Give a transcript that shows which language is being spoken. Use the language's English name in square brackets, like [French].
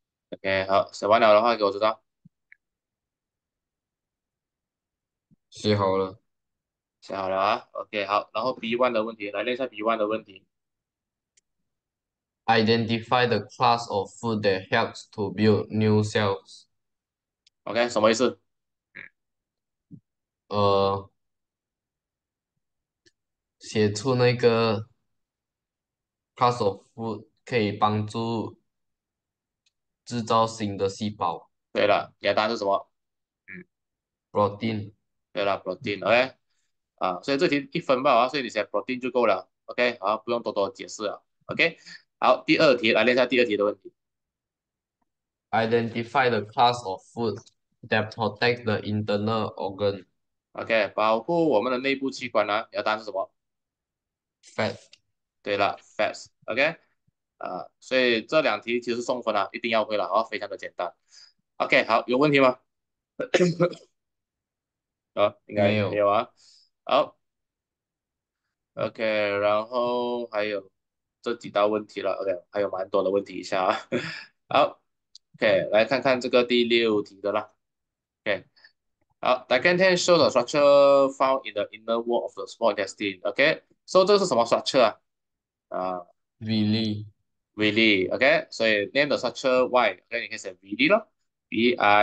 [Chinese] OK，好，写完了的话给我知道。写好了。写好了啊。 OK，好，然后 B1 的问题，来练一下 B1 的问题。 [English] Identify the class of food that helps to build new cells. [Chinese] OK，什么意思？写出那个 [English] class of food。 [Chinese] 可以帮助制造新的细胞。对了，你的答案是什么？ [English] Protein。 [Chinese] 对了，protein。 OK，所以这题1分吧，所以你写 protein 就够了。 OK，好，不用多多解释了。OK，好，第二题，来练一下第二题的问题。 [English] Identify the class of food that protect the internal organ. [Chinese] OK，保护我们的内部器官呢？你的答案是什么？ [English] Fat。 [Chinese] 对了，fats。 OK，所以这两题其实送分了，一定要会了，非常的简单。 OK，好，有问题吗？应没该有。没有啊。好，OK，然后还有，这几道问题了，OK，还有蛮多的问题一下啊。好，OK，来看看这个第六题的啦。 [English] OK，好，the content shows the structure found in the inner wall of the small intestine. [Chinese] OK，so 这是什么 structure 啊？ [English] Really? [Chinese] Villi, OK，所以 [English] name the structure Y， [Chinese] OK，你可以写 Villi 咯，Villi。